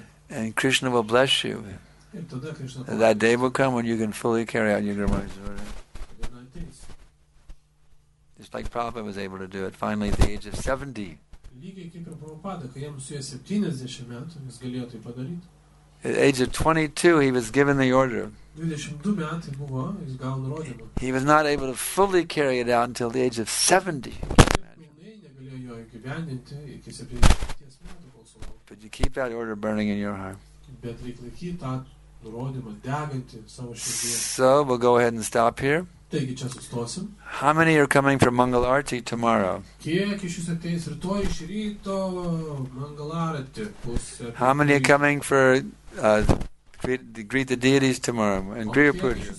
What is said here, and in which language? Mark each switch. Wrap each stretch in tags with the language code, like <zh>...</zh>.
<en>And Krishna will bless you. That day will come when you can fully carry out your Guru Maharaj's order. like Prabhupada was able to do it finally at the age of 70.</en> <lt>Lygiai kaip ir Prabhupada, kai jam suėjo 70 metų, jis galėjo tai padaryti.</lt> <en>At age of 22, he was given the order.</en> <lt>22 metai buvo, jis gavo nurodymą.</lt> <en>He was not able to fully carry it out until the age of 70.</en> <lt>Negalėjo jo įgyvendinti iki 70 metų, kol sulaukė.</lt> <en>But you keep that order burning in your heart.</en> <lt>Bet reikia laikyti tą nurodymą, deginti savo širdyje.</lt> <en>So, we'll go ahead and stop here.</en> <lt>Taigi čia sustosim.</lt> <en>How many are coming for Mangal Arati tomorrow?</en> <lt>Kiek iš jūsų ateis rytoj iš ryto Mangal Arati?</lt> <en>How many are coming for greet the deities tomorrow and Griha Puja?</en>